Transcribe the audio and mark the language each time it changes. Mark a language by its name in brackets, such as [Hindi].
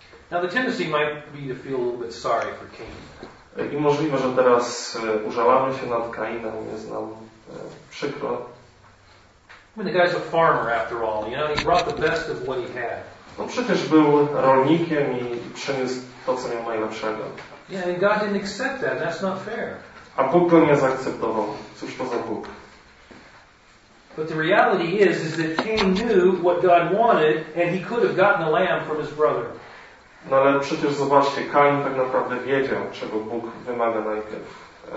[English] Now the tendency might be to feel a little bit sorry for Cain. [Polish] I możliwe, że teraz użalamy się nad Kainem, jest nam przykro. [English] I mean, the guy's a farmer after all, you know, he brought the best of what he had. [Polish] No przecież był rolnikiem i przyniósł to, co miał najlepszego. [English] Yeah, and God didn't accept that, that's not fair. [Polish] A Bóg go nie zaakceptował. Cóż to za Bóg? [English] But the reality is that Cain knew what God wanted and he could have gotten a lamb from his brother. [Polish] No ale przecież zobaczcie, Kain tak naprawdę wiedział, czego Bóg wymaga najpierw.